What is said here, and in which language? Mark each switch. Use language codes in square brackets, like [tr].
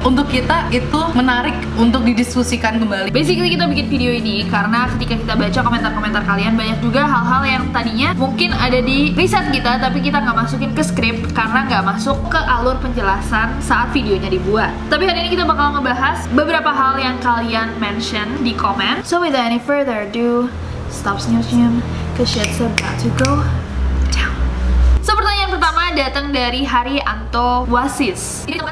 [id] untuk kita itu menarik untuk didiskusikan kembali. Basically kita bikin video ini karena ketika kita baca komentar-komentar kalian, banyak juga hal-hal yang tadinya mungkin ada di riset kita tapi kita gak masukin ke skrip karena gak masuk ke alur penjelasan saat videonya dibuat. Tapi hari ini kita bakal ngebahas beberapa hal yang kalian mention di komen. [en] So without any further ado, stop snoozing, cause shit's about to go down. [id] So pertanyaan pertama datang dari Hari Anto Wasis.